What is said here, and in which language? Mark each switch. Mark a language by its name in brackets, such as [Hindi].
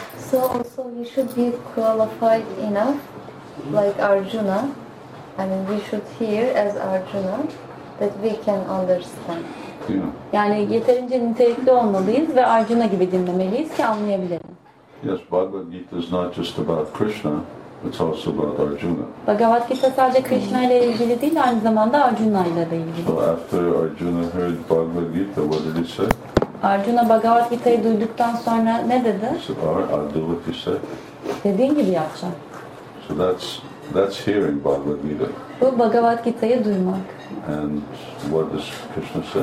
[English] So also we should be qualified enough, like Arjuna. I mean we should hear as Arjuna that we can understand. Yeah. [Turkish] Yani yeterince nitelikli olmalıyız ve Arjuna gibi dinlemeliyiz ki anlayabilirim. [English] Yes, Bhagavad Gita is not just about Krishna, it's also about Arjuna. [Turkish] Bhagavad Gita sadece Krishna ile ilgili değil, aynı zamanda Arjuna ile de ilgili. [English] So after Arjuna heard Bhagavad Gita, what did he say? [Turkish] Arjuna Bhagavad Gita'yı duyduktan sonra ne dedi? [English] I'll do what you said. [Turkish] Dediğin gibi yapacağım. [English] So that's hearing Bhagavad Gita. [Turkish] Bu Bhagavad Gita'yı duymak. [English] And what does Krishna say?